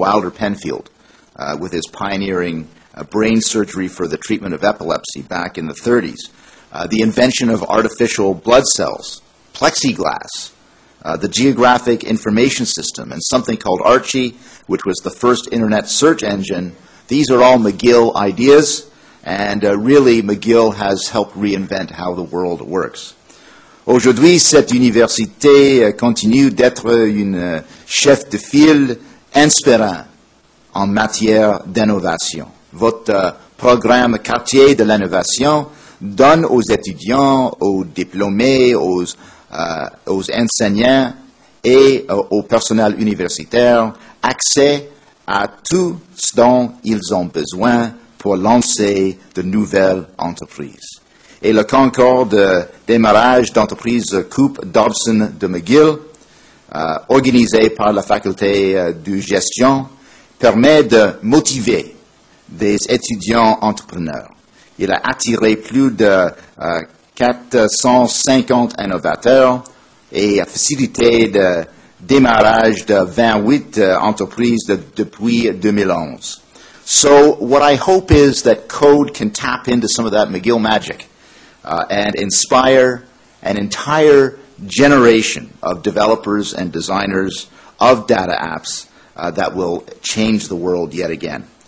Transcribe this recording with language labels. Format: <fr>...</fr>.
<en>Wilder Penfield, with his pioneering brain surgery for the treatment of epilepsy back in the 30s, the invention of artificial blood cells, plexiglass, the geographic information system, and something called Archie, which was the first internet search engine. These are all McGill ideas, and really McGill has helped reinvent how the world works.</en> <fr>Aujourd'hui, cette université continue d'être une chef de file inspirant en matière d'innovation. Votre programme Quartier de l'innovation donne aux étudiants, aux diplômés, aux enseignants et au personnel universitaire accès à tout ce dont ils ont besoin pour lancer de nouvelles entreprises. Et le concours de démarrage d'entreprise Coupe Dobson de McGill, organisé par la faculté de gestion, permet de motiver des étudiants entrepreneurs. Il a attiré plus de 450 innovateurs et a facilité le démarrage de 28 entreprises depuis 2011.</fr> <en>So what I hope is that CODE can tap into some of that McGill magic and inspire an entire generation of developers and designers of data apps that will change the world yet again.</en>